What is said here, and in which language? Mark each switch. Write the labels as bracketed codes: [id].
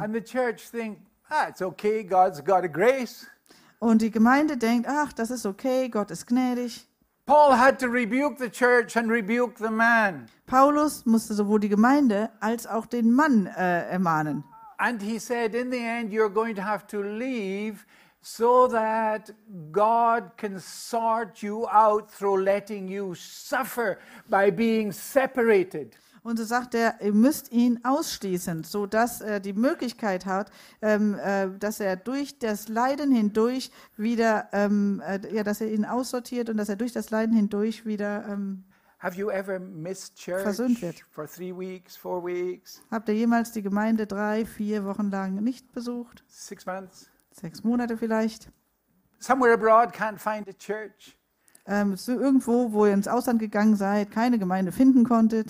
[en] And the church think, it's okay, God's got a grace. [de] Und die Gemeinde denkt, ach, das ist okay, Gott ist gnädig. [en] Paul had to rebuke the church and rebuke the man. [de] Paulus musste sowohl die Gemeinde als auch den Mann ermahnen. [en] And he said, in the end, you're going to have to leave, so that God can sort you out through letting you suffer by being separated. [de] Und so sagt er, ihr müsst ihn ausschließen, so dass er die Möglichkeit hat, dass er durch das Leiden hindurch wieder, dass er ihn aussortiert und dass er durch das Leiden hindurch wieder [en] have you ever missed church [de] versöhnt wird. [en] For 3 weeks, 4 weeks? [de] Habt ihr jemals die Gemeinde 3, 4 Wochen lang nicht besucht? [en] 6 months? [de] 6 Monate vielleicht. [en] Somewhere abroad can't find a church. [de] So irgendwo, wo ihr ins Ausland gegangen seid, keine Gemeinde finden konntet.